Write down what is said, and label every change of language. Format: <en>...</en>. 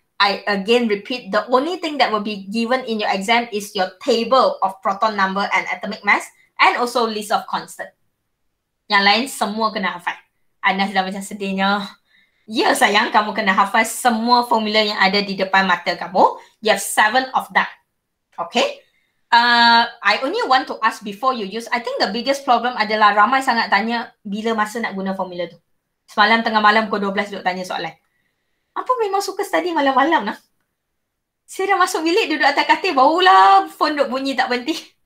<en>I again repeat, the only thing that will be given in your exam is your table of proton number and atomic mass and also list of constant.</en> <ms>Yang lain semua kena hafal. Anda sudah macam sedihnya. Ya sayang, kamu kena hafal semua formula yang ada di depan mata kamu.</ms> <en>You have 7 of that. Okay? I only want to ask before you use. I think the biggest problem</en> <ms>adalah ramai sangat tanya bila masa nak guna formula tu. Semalam tengah malam pukul 12 duduk tanya soalan. Apa memang suka study malam-malam lah? Saya dah masuk bilik duduk atas katil, barulah phone duk bunyi tak berhenti.</ms>